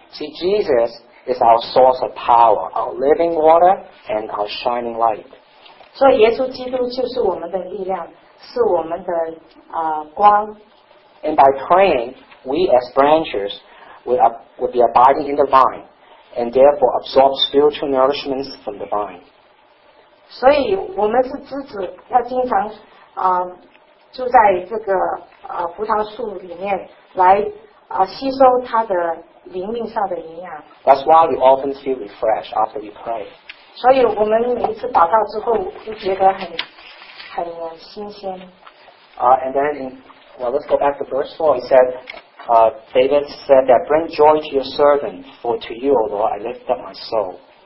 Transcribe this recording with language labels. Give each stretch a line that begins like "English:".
English: See, Jesus is our source of power, our living water, and our shining light.
Chinese: 所以耶稣基督就是我们的力量，是我们的光。
English: And by praying, we as branches will be abiding in the vine, and therefore absorb spiritual nourishment from the vine.
Chinese: 所以我们是枝子，要经常住在这个葡萄树里面，来吸收它的灵命上的营养。
English: That's why we often feel refreshed after we pray.
Chinese: 所以我们每一次祷告之后，就觉得很新鲜。
English: Let's go back to verse 4. David said that, "Bring joy to your servant, for to you, O Lord, I lift up my soul."